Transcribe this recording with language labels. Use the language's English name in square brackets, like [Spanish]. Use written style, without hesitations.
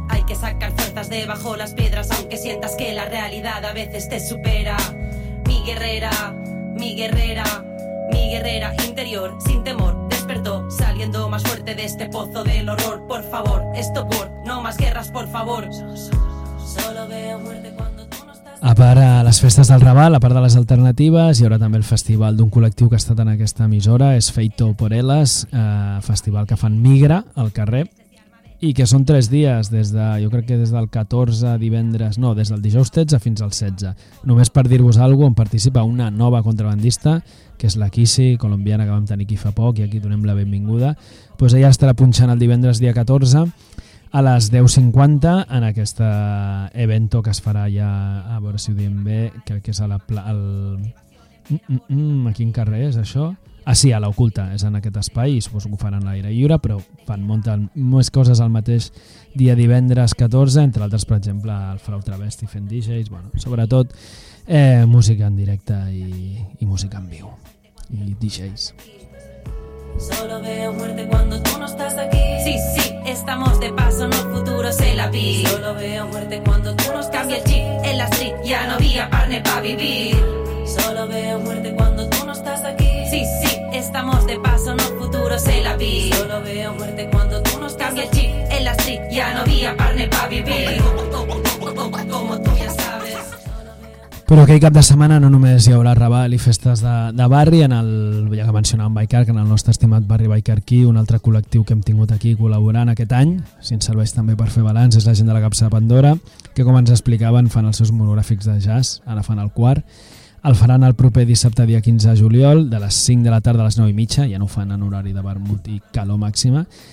[Spanish] Hay que sacar fuerzas debajo las piedras, aunque sientas que la realidad a veces te supera. Mi guerrera, mi guerrera, mi guerrera interior, sin temor, despertó, saliendo más fuerte de este pozo del horror. Por favor, esto por, no más guerras, por favor. Solo veo muerte cuando... [Catalan] A part a les festes del Raval, a part de les alternatives, hi haurà també el festival d'un col·lectiu que ha estat en aquesta emissora, és Feito por Elas, festival que fan Migra al carrer, i que són tres dies, des de, jo crec que des del 14 divendres, no, des del dijous 13 fins al 16. Només per dir-vos alguna cosa, participa una nova contrabandista, que és la Kissy, colombiana, que vam tenir aquí fa poc, i aquí donem la benvinguda. Pues ella estarà punxant el divendres dia 14, a les 10:50 en aquest evento que es farà ja, a veure si ho diem bé, crec que és a la plaça... a quin carrer és això? Ah sí, a l'Oculta, és en aquest espai i suposo que ho faran a l'aire lliure, però fan muntar més coses al mateix dia divendres 14, entre altres, per exemple, el Frau Travesti fent DJs, bueno, sobretot música en directe i música en viu, i DJs. [Spanish] Solo veo muerte cuando tú no estás aquí. Sí, sí, estamos de paso, no futuro, se la vi. Solo veo muerte cuando tú no estás. Cambia el chip en la street, ya no había carne para vivir. Solo veo muerte cuando tú no estás aquí. Sí, sí, estamos de paso, no futuro, se la vi. Solo veo muerte cuando tú no estás. Cambia el chip en la street, ya no había carne para vivir. Como tú ya sabes. [Catalan] Però aquell cap de setmana no només hi haurà Raval i festes de barri, en el, ja que mencionàvem Baicarc, en el nostre estimat barri Baicarquí, un altre col·lectiu que hem tingut aquí col·laborant aquest any, si ens serveix també per fer balanç, és la gent de la capsa de Pandora, que com ens explicaven fan els seus monogràfics de jazz, ara fan el quart, el faran el proper dissabte dia 15 de juliol, de les 5 de la tarda a les 9 i mitja, ja no ho fan en horari de vermut i calor màxima,